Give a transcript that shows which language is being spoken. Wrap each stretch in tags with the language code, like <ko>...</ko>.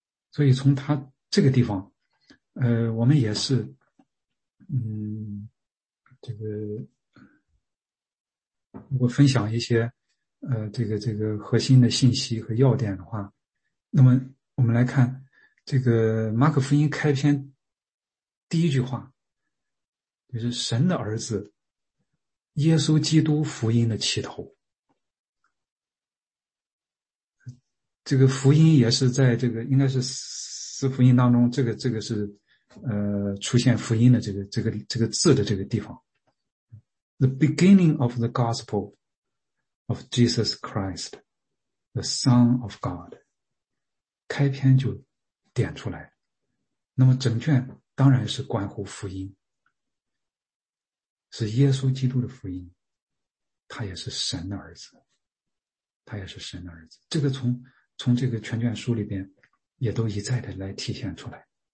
<zh>所以从他这个地方，我们也是，这个如果分享一些这个核心的信息和要点的话，那么我们来看这个马可福音开篇第一句话，就是神的儿子耶稣基督福音的起头。这个福音也是在这个应该是四福音当中，这个是出现福音的这个字的这个地方。</zh> <en>The beginning of the gospel of Jesus Christ, the Son of God.</en> <zh>开篇就点出来。那么整卷当然是关乎福音。是耶稣基督的福音。他也是神的儿子。他也是神的儿子。这个从这个全卷书里边也都一再的来体现出来。</zh>